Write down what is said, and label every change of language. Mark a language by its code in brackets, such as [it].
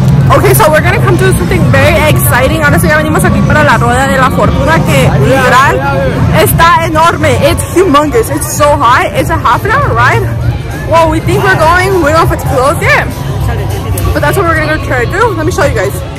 [en] Okay, so we're gonna come to something very exciting. [es] Ahora sí ya venimos aquí para la rueda de la fortuna, que literal está enorme. [en] It's humongous. It's so high. It's a half an hour ride. Well, we think we're going. We don't know if it's closed yet, but that's what we're gonna try to do. Let me show you guys.